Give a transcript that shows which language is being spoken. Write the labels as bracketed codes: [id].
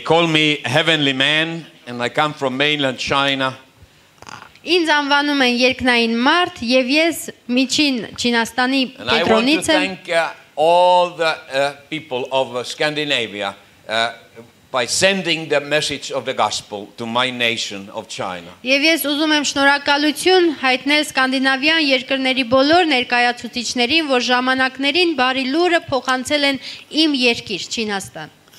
[en] call me heavenly man, and I come from mainland China. [hy] Ինձ անվանում են երկնային մարդ, եւ ես միջին Չինաստանի Պետրոնից եմ. [en] I want to thank all the people of Scandinavia by sending the message of the gospel to my nation of China. [hy] Եվ ես ուզում եմ շնորհակալություն հայտնել սկանդինավյան երկրների բոլոր ներկայացուցիչներին, որ ժամանակներին բարի լուրը փոխանցել են իմ երկիր Չինաստան։